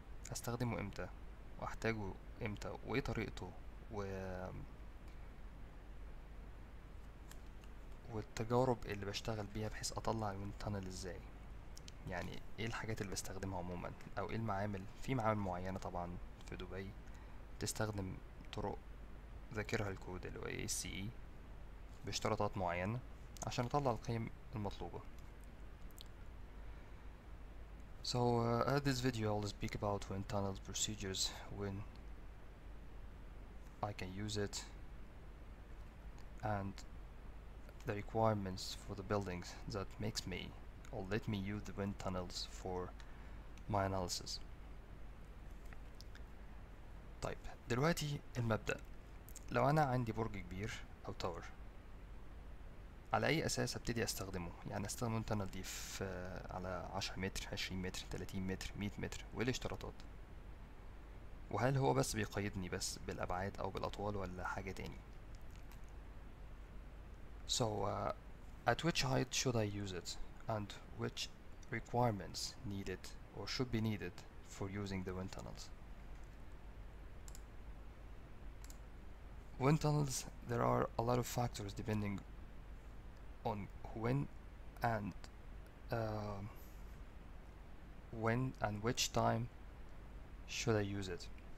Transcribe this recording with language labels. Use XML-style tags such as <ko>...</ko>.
<ar>هستخدمه امتى واحتاجه امتى وايه طريقته والتجارب اللي بشتغل بيها بحيث اطلع</ar> <en>الوين تانل</en> <ar>ازاي، يعني ايه الحاجات اللي بستخدمها عموما، او ايه المعامل. في معامل معينة طبعا في دبي بتستخدم طرق ذاكرها الكود اللي هو ACE باشتراطات معينة عشان اطلع القيم المطلوبة.</ar> <en>So at this video I'll speak about wind tunnel procedures, when I can use it, and the requirements for the buildings that makes me or let me use the wind tunnels for my analysis.</en> <ar>طيب دلوقتي المبدأ، لو انا عندي برج كبير او تاور، على اي اساس ابتدي استخدمه؟ يعني استخدم التانل دي في على 10 متر، 20 متر، 30 متر، 100 متر، وايه الاشتراطات؟ وهل هو بس بيقيدني بس بالابعاد او بالاطوال ولا حاجه تاني؟</ar> <en>So at which height should I use it, and which requirements needed or should be needed for using the wind tunnels? Wind tunnels, there are a lot of factors depending on when and which time should I use it.</en>